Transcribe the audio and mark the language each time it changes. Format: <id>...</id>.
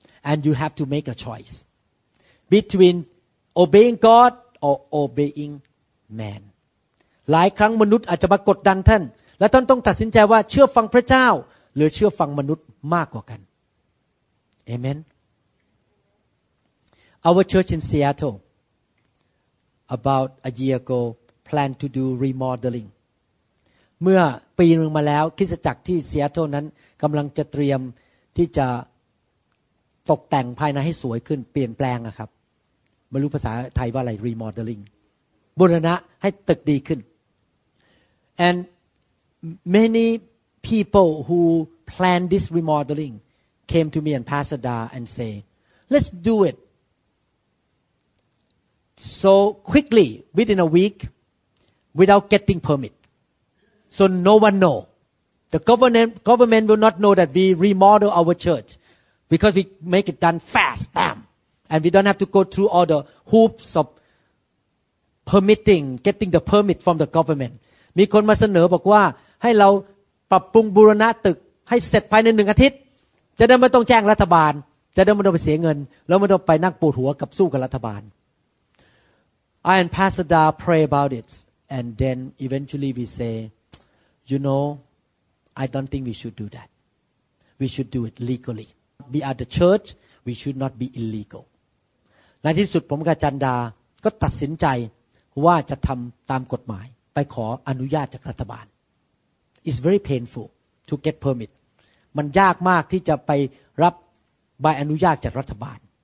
<en>and you have to make a choice between obeying God or obeying man</en> <th>หลายครั้งมนุษย์อาจจะมากดดันท่านและท่านต้องตัดสินใจว่าเชื่อฟังพระเจ้าหรือเชื่อฟังมนุษย์มากกว่ากันAmen.</th> <en>Our church in Seattle, about a year ago, planned to do remodeling.</en> <th>เมื่อปีนึงมาแล้วคริสตจักรที่ Seattle นั้นกำลังจะเตรียมที่จะตกแต่งภายในให้สวยขึ้นเปลี่ยนแปลงอะครับไม่รู้ภาษาไทยว่าอะไร remodeling บูรณะให้ตึกดีขึ้น</th> <en>And many people who plan this remodelingcame to me and Pastor Da and say, let's do it. So quickly, within a week, without getting permit. So no one know. The government will not know that we remodel our church because we make it done fast, bam. And we don't have to go through all the hoops of permitting, getting the permit from the government.</en> <th>มีคนมาเสนอบอกว่าให้เราปรับปรุงบูรณะตึกให้เสร็จภายในหนึ่งอาทิตย์จะได้ไม่ต้องแจ้งรัฐบาลจะได้ไม่ต้องไปเสียเงินแล้วไม่ต้องไปนั่งปวดหัวกับสู้กับรัฐบาล</th> <en>I and Pastor Da pray about it and then eventually we say you know I don't think we should do that we should do it legally we are the church we should not be illegal</en> <th>ในที่สุดผมกับจันดาก็ตัดสินใจว่าจะทำตามกฎหมายไปขออนุญาตจากรัฐบาล</th> <en>It's very painful to get permit</en> <th>มันยากมากที่จะไปรับใบอนุญาตจากรัฐบาล</th>